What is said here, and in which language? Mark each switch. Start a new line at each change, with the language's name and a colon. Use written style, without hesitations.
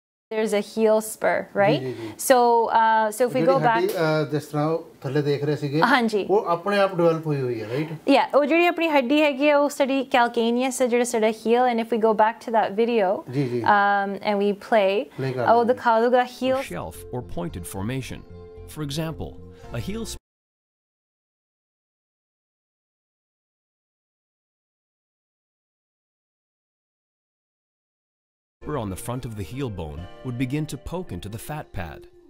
English: there's a heel spur, right? So if we go back this now
Punjabi: ਥੱਲੇ ਦੇਖ ਰਹੇ ਸੀਗੇ ਹਾਂ ਜੀ ਉਹ ਆਪਣੇ ਆਪ ਡਿਵੈਲਪ ਹੋਈ ਹੋਈ ਹੈ ਰਾਈਟ ਯਾ ਉਹ ਜਿਹੜੀ ਆਪਣੀ ਹੱਡੀ ਹੈਗੀ ਹੈ ਉਹ ਸਾਡੀ ਕੈਲਕੇਨੀਅਸ ਹੈ ਜਿਹੜਾ ਸਾਡਾ heel
English: and if we go back to that video
Punjabi: ਜੀ ਜੀ ਐਂਡ ਵੀ ਪਲੇ ਉਹ ਦਿਖਾਉਗਾ ਹੀਲ
English: Shelf ਔਰ pointed formation for example a heel spur on the front of the heel bone would begin to poke into the fat pad.